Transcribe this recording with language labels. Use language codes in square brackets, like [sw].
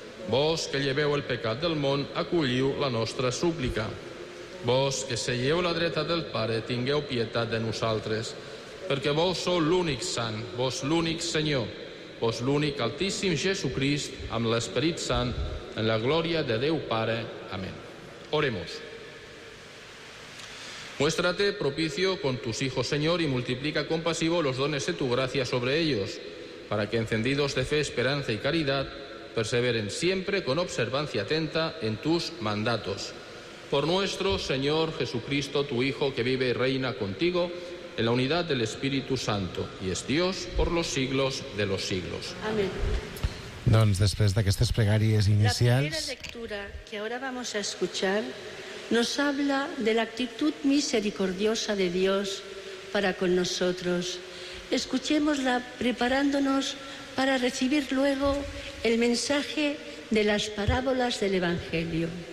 [ca] Vós que lleveu el pecat del món, acolliu la nostra súplica. Vós que seieu a la dreta del Pare, tingueu pietat de nosaltres, perquè vós sou l'únic Sant, vós l'únic Senyor, vós l'únic Altíssim Jesucrist, amb l'Esperit Sant, en la glòria de Déu Pare. [es] Amén. Oremos. Muéstrate propicio con tus hijos, Señor, y multiplica compasivo los dones de tu gracia sobre ellos, para que, encendidos de fe, esperanza y caridad, perseveren siempre con observancia atenta en tus mandatos. Por nuestro Señor Jesucristo, tu Hijo, que vive y reina contigo en la unidad del Espíritu Santo, y es Dios por los siglos de los siglos. Amén. [ca] Doncs, després d'aquestes pregàries inicials... [es] La primera lectura que ahora vamos a escuchar nos habla de la actitud misericordiosa de Dios para con nosotros. Escuchémosla preparándonos para recibir luego el mensaje de las parábolas del Evangelio.